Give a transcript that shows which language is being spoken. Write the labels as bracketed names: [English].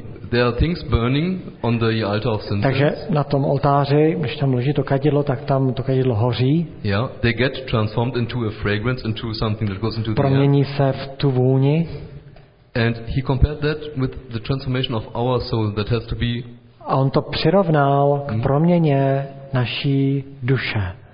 [English] There are things burning on the altar of incense. [Czech] Takže na tom oltáři, když tam leží to kadidlo, tak tam to kadidlo hoří. [English] Yeah, they get transformed into a fragrance, into something that goes into the air. [Czech] Promění se v tu vůni. [English] And he compared that with the transformation of our soul that has to be. [Czech] A on to přirovnal k proměně naší duše.